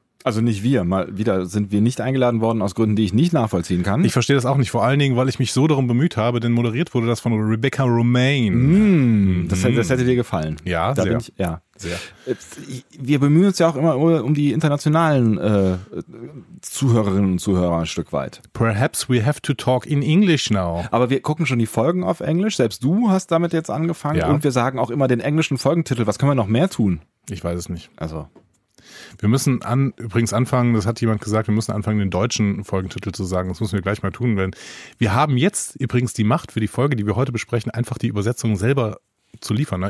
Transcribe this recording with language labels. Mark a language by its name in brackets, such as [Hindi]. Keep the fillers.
[German] Also nicht wir, mal wieder sind wir nicht eingeladen worden aus Gründen, die ich nicht nachvollziehen kann. Ich verstehe das auch nicht, vor allen Dingen, weil ich mich so darum bemüht habe, denn moderiert wurde das von Rebecca Romaine. Mm, das, mmh. das, Hätte, dir gefallen. Ja, da sehr. Ich, ja. sehr. Wir bemühen uns ja auch immer um die internationalen äh, Zuhörerinnen und Zuhörer ein Stück weit. [English] Perhaps we have to talk in English now. [German] Aber wir gucken schon die Folgen auf Englisch, selbst du hast damit jetzt angefangen ja. und wir sagen auch immer den englischen Folgentitel. Was können wir noch mehr tun? Ich weiß es nicht. Also, wir müssen an, übrigens anfangen, das hat jemand gesagt, wir müssen anfangen, den deutschen Folgentitel zu sagen. Das müssen wir gleich mal tun, weil wir haben jetzt übrigens die Macht für die Folge, die wir heute besprechen, einfach die Übersetzung selber zu liefern.